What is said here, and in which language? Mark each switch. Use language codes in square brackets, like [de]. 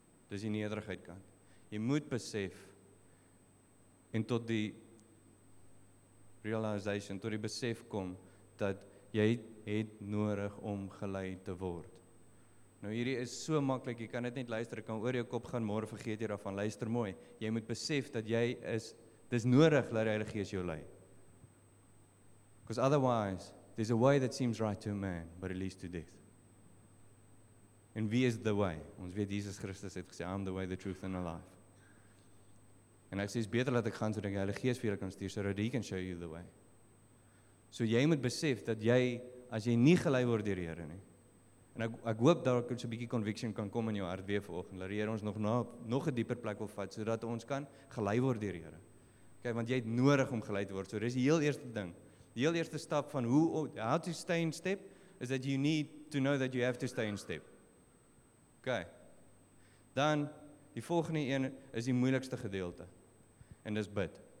[af] Dis die nederigheid kant. Jy moet besef, en tot die realization, tot die besef kom, dat jy het nodig om gelei te word. Nou hierdie is so makkelijk, jy kan dit net luister, jy kan oor jou kop gaan, morgen vergeet jy daarvan, luister mooi. Jy moet besef dat jy is, dis nodig dat die Heilige Gees jou lei. [en] Because otherwise, there's a way that seems right to a man, but it leads to death. And wie is the way? [af] Ons weet, Jesus Christus het gesê, [en] I'm the way, the truth and the life. [af] En ek sê, is beter dat ek gaan, so dat die Heilige Gees vir jou kan stuur, so dat [en] he can show you the way. [af] So jy moet besef dat jy, as jy nie gelei word deur die Here nie, en ek hoop dat ek so 'n bietjie conviction kan kom in jou hart weer vanoggend, dat die Here ons nog 'n dieper plek wil vat, so dat ons kan gelei word deur die Here. Okay, want jy het nodig om gelei te word, so dit is die heel eerste ding. Die heel eerste stap van [en] how to stay in step, is that you need to know that you have to stay in step. Okay. [af] Dan, die volgende een is die moeilikste gedeelte, en dis bid.